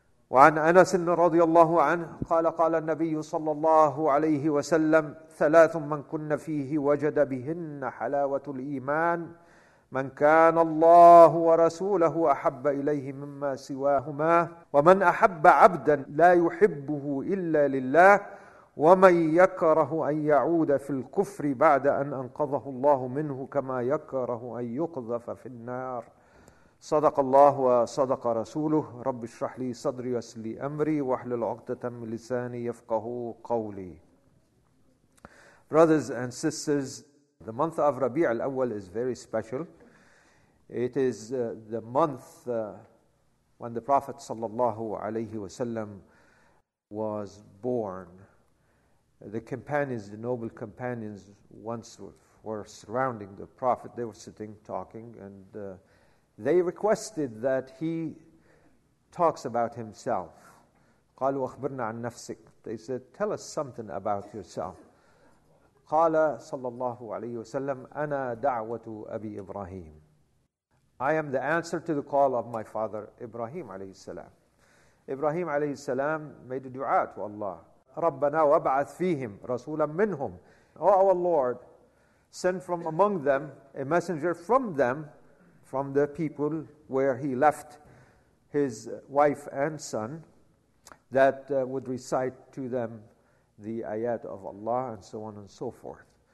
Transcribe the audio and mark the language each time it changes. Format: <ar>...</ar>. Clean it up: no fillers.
<ar>وعن أنس رضي الله عنه قال: قال النبي صلى الله عليه وسلم: ثلاث من كن فيه وجد بهن حلاوة الإيمان: من كان الله ورسوله أحب إليه مما سواهما، ومن أحب عبدا لا يحبه إلا لله، ومن يكره أن يعود في الكفر بعد أن أنقذه الله منه كما يكره أن يقذف في النار. صدق الله وصدق رسوله. رب اشرح لي صدري ويسر لي أمري واحلل عقدة من لساني يفقه قولي.</ar> <en>Brothers and sisters, the month of Rabi al-Awwal is very special. It is the month when the Prophet صلى الله عليه وسلم was born. The companions, the noble companions, once were surrounding the Prophet. They were sitting, talking, and they requested that he talks about himself.</en> <ar>قالوا أخبرنا عن نفسك.</ar> <en>They said, tell us something about yourself.</en> <ar>قال صلى الله عليه وسلم: أنا دعوة أبي إبراهيم.</ar> <en>I am the answer to the call of my father Ibrahim عليه السلام. Ibrahim عليه السلام made a dua to Allah.</en> <ar>رَبَّنَا وَبْعَثْ فِيهِمْ رَسُولًا مِّنْهُمْ.</ar> <en>Oh, our Lord, send from among them a messenger from them, from the people where he left his wife and son, that would recite to them the ayat of Allah and so on and so forth.</en>